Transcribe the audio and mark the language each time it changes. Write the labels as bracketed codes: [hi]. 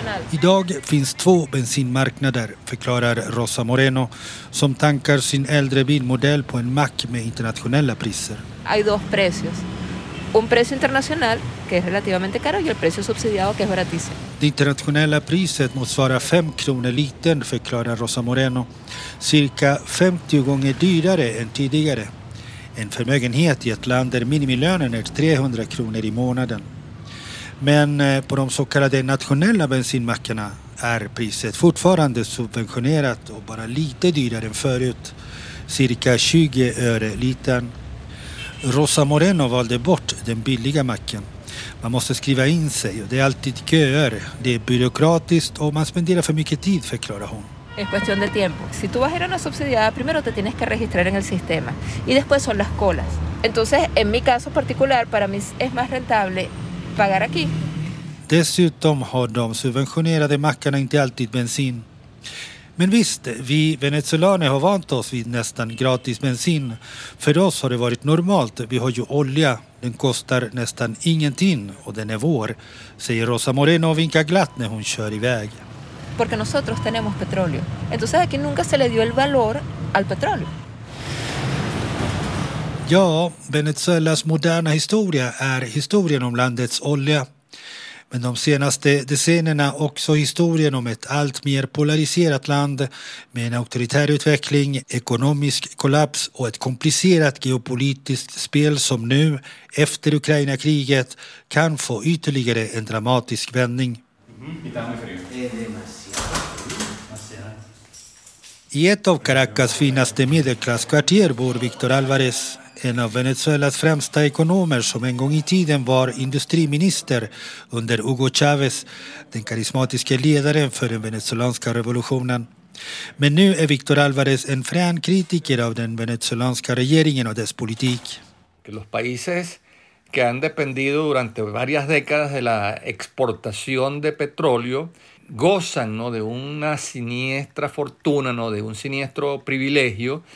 [sv] Idag finns två bensinmarknader, förklarar Rosa Moreno, som tankar sin äldre bilmodell på en mack med internationella priser. [es] Hay dos precios. Un precio internacional que es relativamente caro y el precio subsidiado que es baratísimo. [sv] Det internationella priset motsvarar 5 kronor litern, förklarar Rosa Moreno. Cirka 50 gånger dyrare än tidigare. En förmögenhet i ett land där minimilönen är 300 kronor i månaden. Men på de så kallade nationella bensinmackarna är priset fortfarande subventionerat och bara lite dyrare än förut. Cirka 20 öre litern. Rosa Moreno valde bort den billiga macken. Man måste skriva in sig och det är alltid köer. Det är byråkratiskt och man spenderar för mycket tid, förklarar hon. [es] Es cuestión de tiempo. Si tú vas a ir a una subsidiada, primero te tienes que registrar en el sistema y después son las colas. Entonces, en mi caso particular, para mí es más rentable pagar aquí. [sv] Dessutom har de subventionerade mackarna inte alltid bensin. Men visst, vi venezolaner har vant oss vid nästan gratis bensin. För oss har det varit normalt. Vi har ju olja. Den kostar nästan ingenting och den är vår, säger Rosa Moreno och vinkar glatt när hon kör iväg. [es] Porque nosotros tenemos petróleo. Entonces aquí nunca se le dio el valor al petróleo. [sv] Ja, Venezuelas moderna historia är historien om landets olja. Men de senaste decennierna också historien om ett allt mer polariserat land med en auktoritär utveckling, ekonomisk kollaps och ett komplicerat geopolitiskt spel som nu, efter Ukraina-kriget, kan få ytterligare en dramatisk vändning. I ett av Caracas finaste medelklasskvarter bor Victor Alvarez, en av Venezuelas främsta ekonomer som en gång i tiden var industriminister under Hugo Chávez, den karismatiska ledaren för den venezolanska revolutionen. Men nu är Victor Alvarez en frän kritiker av den venezolanska regeringen och dess politik. [es] Los países que han dependido durante varias décadas de la exportación de petróleo gozan, ¿no?, de una siniestra fortuna, ¿no?, de un siniestro privilegio.